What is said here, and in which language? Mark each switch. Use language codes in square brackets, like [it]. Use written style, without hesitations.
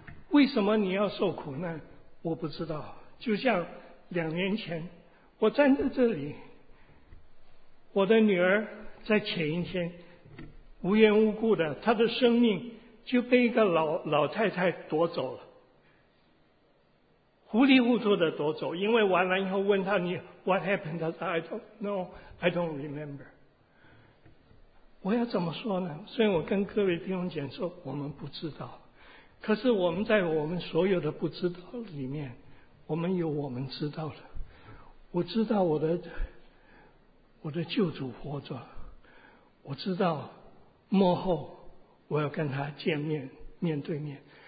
[zh] 为什么你要受苦难？我不知道。就像两年前，我站在这里，我的女儿在前一天无缘无故的，她的生命就被一个老太太夺走了，糊里糊涂的夺走。因为完了以后问她，你 [en] What happened？ [zh] 她说 [en] I don't know， I don't remember。 [zh] 我要怎么说呢？所以我跟各位弟兄姐妹说，我们不知道，可是我们在我们所有的不知道里面，我们有我们知道的。我知道我的救主活着，我知道幕后我要跟他见面，面对面。